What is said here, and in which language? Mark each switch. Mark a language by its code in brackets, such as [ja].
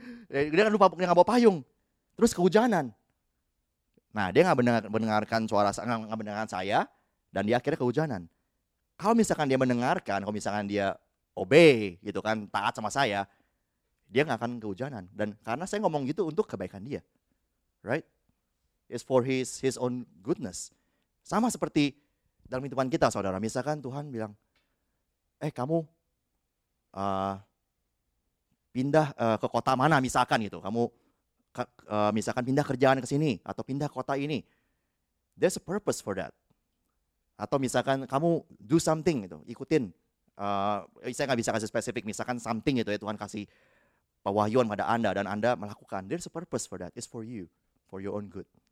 [id] Dia kan lupa, dia gak bawa payung. Terus kehujanan. Nah, dia gak mendengarkan suara, gak mendengarkan saya, dan dia akhirnya kehujanan. Kalau misalkan dia mendengarkan, kalau misalkan dia obey gitu kan, taat sama saya, dia gak akan kehujanan. Dan karena saya ngomong gitu untuk kebaikan dia. [en] Right? It's for his own goodness. [id] Sama seperti dalam hidupan kita, saudara. Misalkan Tuhan bilang, kamu pindah ke kota mana misalkan gitu. Kamu misalkan pindah kerjaan ke sini atau pindah kota ini. [en] There's a purpose for that. [id] Atau misalkan kamu [en] do something [id] gitu, ikutin. Saya nggak bisa kasih spesifik, misalkan [en] something [id] gitu ya Tuhan kasih pewahyuan pada Anda dan Anda melakukan. [en] There's a purpose for that. It's for you, for your own good.